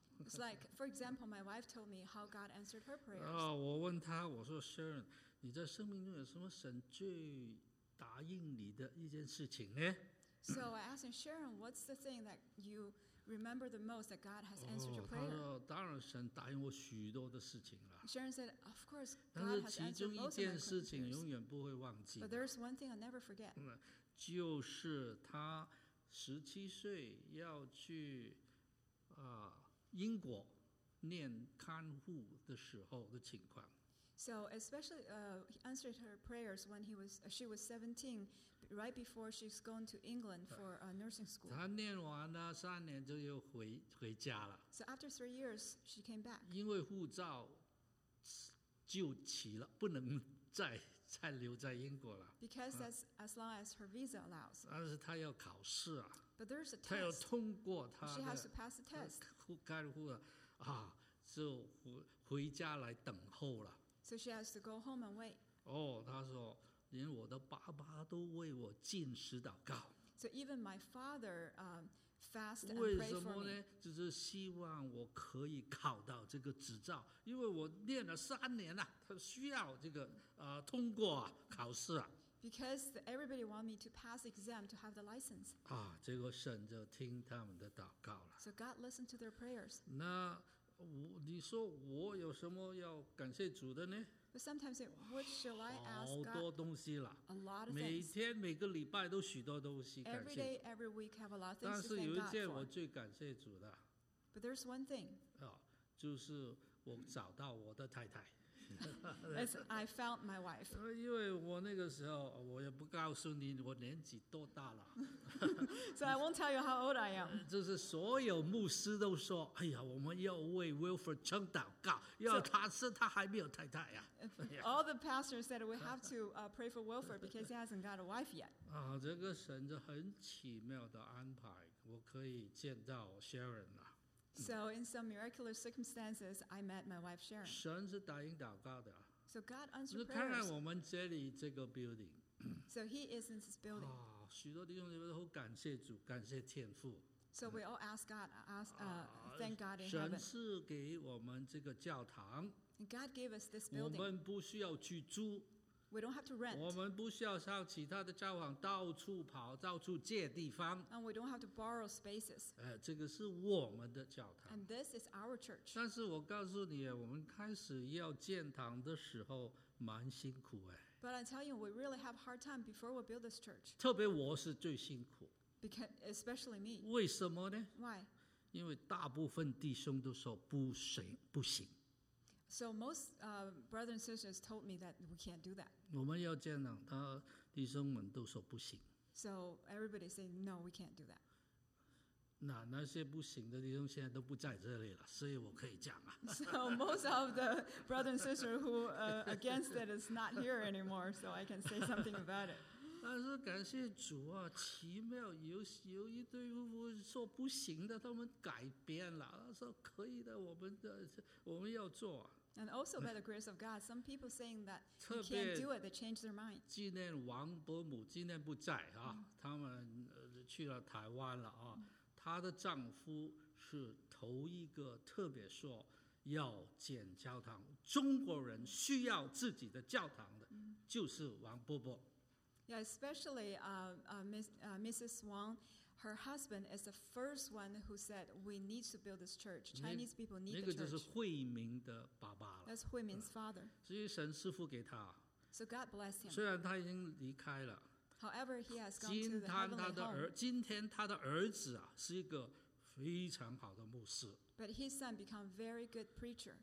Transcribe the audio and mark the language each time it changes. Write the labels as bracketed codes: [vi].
[en] It's like, for example, my wife told me how God answered her prayers. [zh] 我问她，我说 Sharon, 你在生命中有什么神最答应你的一件事情呢？ [en] So I asked her, Sharon, what's the thing that you remember the most that God has answered your prayer? [zh] 她说，当然神答应我许多的事情了。 [en] Sharon said, of course, God has answered most of my prayers. [zh] 但是其中一件事情永远不会忘记。 [en] But there's one thing I'll never forget. [zh] 就是她十七岁要去英国念看护的时候的情况。 [en] So especially, he answered her prayers when she was 17, right before she's going to England for a nursing school. [zh] 她念完了三年就又回家了。 [en] So after 3 years, she came back. [zh] 因为护照就期了，不能再留在英国了。 [en] Because that's as long as her visa allows. [zh] 但是她要考试啊。 [en] But there's a test. [zh] 他要通过他 [en] 的 She has to pass the test. [zh] 看护啊，就回家来等候了。 [en] So she has to go home and wait. [zh] 他说连我的爸爸都为我禁食祷告。 [en] So even my father fast and pray for me. [zh] 为什么呢？就是希望我可以考到这个执照，因为我念了三年了，他需要这个通过考试啊。 [en] Because everybody wants me to pass the exam to have the license. [zh] 结果神就听他们的祷告了。 [en] So God listened to their prayers. [zh] 那你说我有什么要感谢主的呢？ [en] But sometimes what shall I ask God? [zh] 好多东西了。 [en] A lot of things. [zh] 每天每个礼拜都许多东西感谢。 [en] Every day, every week have a lot of things to thank God for. [zh] 但是有一件我最感谢主的。 [en] But there's one thing. [zh] 就是我找到我的太太。 [en] As I found my wife. [zh] 因为我那个时候，我也不告诉你我年纪多大了。 [en] So I won't tell you how old I am. [zh] 就是所有牧师都说，哎呀，我们要为 Wilford Chung 祷告，要他是他还没有太太呀。 [en] All the pastors said we have to pray for Wilford because he hasn't got a wife yet. [zh] 这个神就很奇妙的安排，我可以见到 Sharon 了。 [en] So in some miraculous circumstances, I met my wife Sharon. [zh] 神是答应祷告的。 [en] So God answered prayers. [zh] 你看看我们这里这个 building. [en] So he is in this building. [zh] 许多弟兄姊妹都感谢主，感谢天父。 [en] So we all ask God, thank God in heaven. [zh] 神赐给我们这个教堂。 [en] And God gave us this building. [zh] 我们不需要去租。 [en] We don't have to rent. [zh] 我们不需要上其他的教堂到处跑，到处借地方。 [en] And we don't have to borrow spaces. [zh] 这个是我们的教堂。 [en] And this is our church. [zh] 但是我告诉你，我们开始要建堂的时候蛮辛苦哎。 [en] But I tell you, we really have a hard time before we build this church. [zh] 特别我是最辛苦。 [en] Because especially me. [zh] 为什么呢 [en] ？Why? [zh] 因为大部分弟兄都说不行，不行。 [en] So most brothers and sisters told me that we can't do that. [zh] 我们要建堂，他弟兄们都说不行。 [en] So everybody said no, we can't do that. [zh] 那些不行的弟兄现在都不在这里了，所以我可以讲啊。 [en] So most of the brothers and sisters who against it is not here anymore, so I can say something about it. [zh] 但是感谢主啊，奇妙，有一对夫妇说不行的，他们改变了，他说可以的，我们要做。 [en] And also by the grace of God, some people saying that you can't do it, they change their mind. [zh] 纪念王伯母，纪念不在啊，他们去了台湾了啊。她的丈夫是头一个特别说要建教堂，中国人需要自己的教堂的，就是王伯伯。 [en] Yeah, especially Mrs. Wang, her husband is the first one who said, we need to build this church. Chinese people need the church. [zh] 那个就是慧明的爸爸了。 [en] That's Hui Min's father. [zh] 所以神赐福给他。 [en] So God bless him. [zh] 虽然他已经离开了。 [en] However, he has gone to the heavenly home. [zh] 今天他的儿子啊，是一个非常好的牧师。 [en] But his son became a very good preacher.